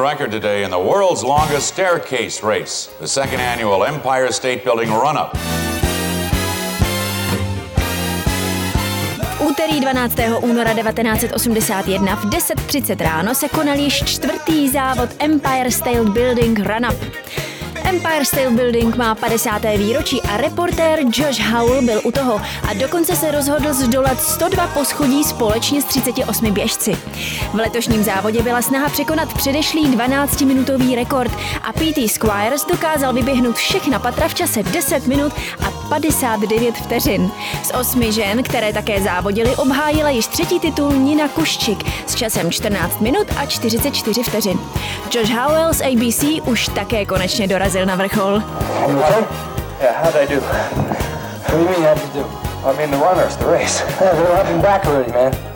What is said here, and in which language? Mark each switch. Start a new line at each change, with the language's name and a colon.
English: Today in the world's longest staircase race, the second annual Empire State Building Run-Up.
Czech: Úterý 12. února 1981 v 10:30 ráno se konal již čtvrtý závod Empire State Building Run-Up. Empire State Building má 50. výročí a reportér Josh Howell byl u toho a dokonce se rozhodl zdolat 102 poschodí společně s 38 běžci. V letošním závodě byla snaha překonat předešlý 12-minutový rekord a P.T. Squires dokázal vyběhnout všechna patra v čase 10 minut a 59 vteřin. Z 8 žen, které také závodily, obhájila již třetí titul Nina Kuščik s časem 14 minut a 44 vteřin. Josh Howell z ABC už také konečně dorazil. Zel na vrchol.
English: Yeah, how'd I do? What do you mean, how'd you do? I mean, the runners, the race. Yeah, they're running back already, man.